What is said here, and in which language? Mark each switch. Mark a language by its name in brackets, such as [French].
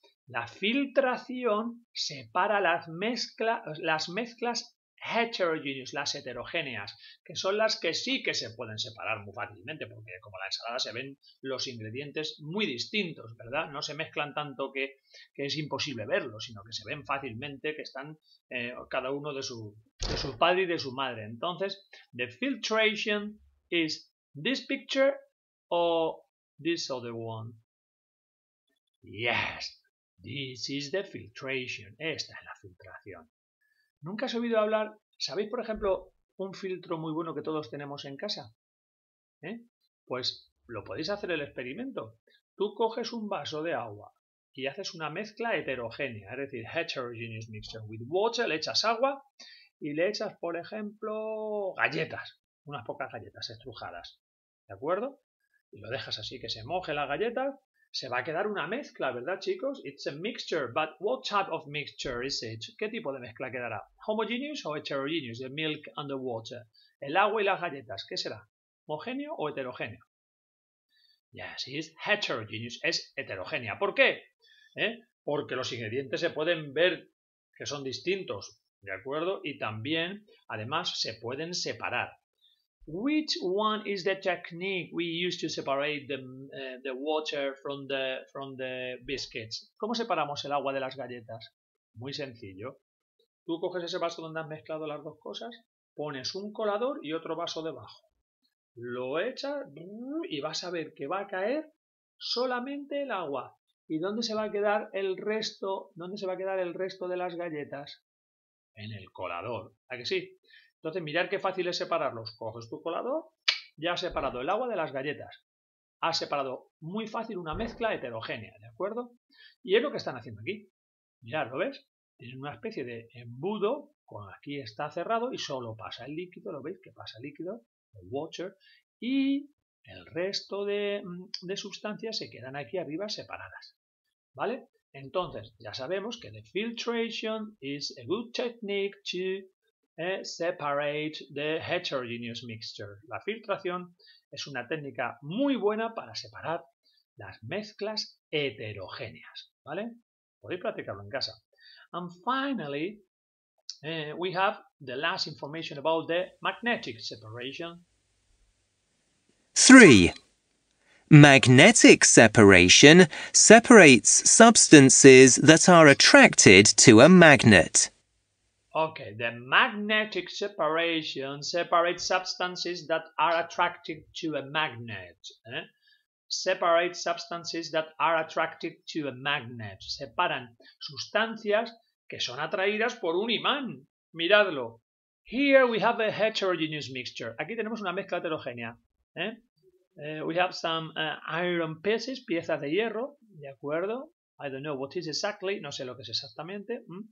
[Spanish] La filtración separa las mezclas heterogeneous, las heterogéneas, que son las que sí que se pueden separar muy fácilmente, porque como la ensalada se ven los ingredientes muy distintos, ¿verdad? No se mezclan tanto que es imposible verlos, sino que se ven fácilmente que están cada uno de su padre y de su madre. [English] Entonces, the filtration is this picture o this other one. Yes, this is the filtration. [Spanish] Esta es la filtración. ¿Nunca has oído hablar? ¿Sabéis, por ejemplo, un filtro muy bueno que todos tenemos en casa? Pues lo podéis hacer el experimento. Tú coges un vaso de agua y haces una mezcla heterogénea, es decir, [English] heterogeneous mixture with water, [Spanish] le echas agua y le echas, por ejemplo, galletas, unas pocas galletas estrujadas, ¿de acuerdo? Y lo dejas así que se moje la galleta, se va a quedar una mezcla, ¿verdad, chicos? [English] It's a mixture, but what type of mixture is it? [Spanish] ¿Qué tipo de mezcla quedará? [English] ¿Homogeneous o heterogeneous? The milk and the water. [Spanish] El agua y las galletas, ¿qué será? ¿Homogéneo o heterogéneo? [English] Yes, it's heterogeneous. [Spanish] Es heterogénea. ¿Por qué? Porque los ingredientes se pueden ver que son distintos, ¿de acuerdo? Y también, además, se pueden separar. [English] Which one is the technique we use to separate the water from the biscuits? [Spanish] ¿Cómo separamos el agua de las galletas? Muy sencillo. Tú coges ese vaso donde has mezclado las dos cosas, pones un colador y otro vaso debajo. Lo echas y vas a ver que va a caer solamente el agua. ¿Y dónde se va a quedar el resto? ¿Dónde se va a quedar el resto de las galletas? En el colador. ¿A que sí? Entonces, mirad qué fácil es separarlos. Coges tu colador, ya has separado el agua de las galletas. Has separado muy fácil una mezcla heterogénea, ¿de acuerdo? Y es lo que están haciendo aquí. Mirad, ¿lo ves? Tienen una especie de embudo, con aquí está cerrado y solo pasa el líquido, ¿lo veis? Que pasa el líquido, el water, y el resto de sustancias se quedan aquí arriba separadas, ¿vale? Entonces, ya sabemos que [English] the filtration is a good technique to separate the heterogeneous mixture. [Spanish] La filtración es una técnica muy buena para separar las mezclas heterogéneas, ¿vale? Podéis practicarlo en casa. [English] And finally, we have the last information about the magnetic separation. 3. Magnetic separation separates substances that are attracted to a magnet. Okay, the magnetic separation separates substances that are attracted to a magnet. Separate substances that are attracted to a magnet. [Spanish] Separan sustancias que son atraídas por un imán. Miradlo. [English] Here we have a heterogeneous mixture. [Spanish] Aquí tenemos una mezcla heterogénea. [English] We have some iron pieces, [Spanish] piezas de hierro, ¿de acuerdo? [English] I don't know what is exactly, [Spanish] no sé lo que es exactamente.